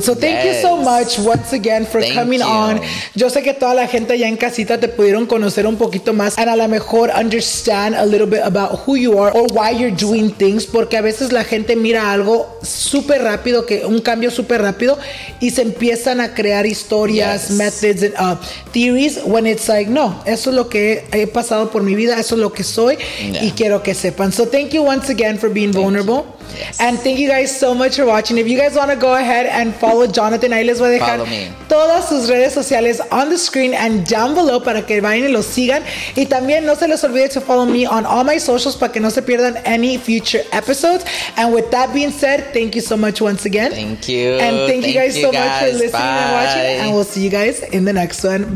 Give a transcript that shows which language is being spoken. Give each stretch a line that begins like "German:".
English: So thank you so much once again for coming on.
Spanish: Yo sé que toda la gente allá en casita te pudieron conocer un poquito más.
English: And
Spanish: a lo mejor
English: understand a little bit about who you are or why you're doing things.
Spanish: Porque a veces la gente mira algo súper rápido, que un cambio súper rápido, y se empiezan a crear historias,
English: methods, and theories, when it's like,
Spanish: no, eso es lo que he pasado por mi vida, eso es lo que soy, y quiero que sepan.
English: So thank you once again for being vulnerable. And thank you guys so much for watching. If you guys want to go ahead and follow Jonathan,
Spanish: ahí les voy a dejar
English: follow me.
Spanish: Todas sus redes sociales
English: on the screen and down below
Spanish: para que vayan y lo sigan. Y también no se les olvide
English: to follow me on all my socials
Spanish: para que no se pierdan
English: any future episodes. And with that being said, thank you so much once again. Thank you. And thank you guys so much for listening and watching. And we'll see you guys in the next one.